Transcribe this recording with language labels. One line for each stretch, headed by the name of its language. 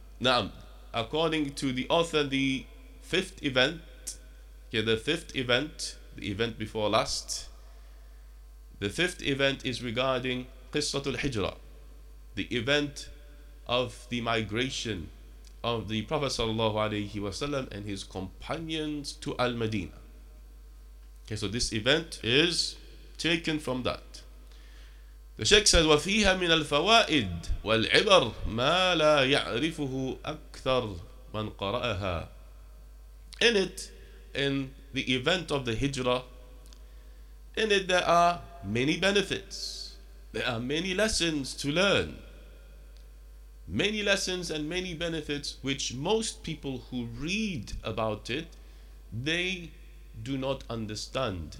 English: Now, according to the author, the fifth event is regarding Qiswatul Hijra, the event of the migration of the Prophet sallallahu alayhi wa sallam and his companions to Al-Madinah. Okay, so this event is taken from that.
Arabic: The Sheikh says, وفيها من الفوائد والعبر ما لا يعرفه أكثر من قرأها.
English: In it, in the event of the Hijrah, in it there are many benefits. There are many lessons to learn. Many lessons and many benefits which most people who read about it, they do not understand.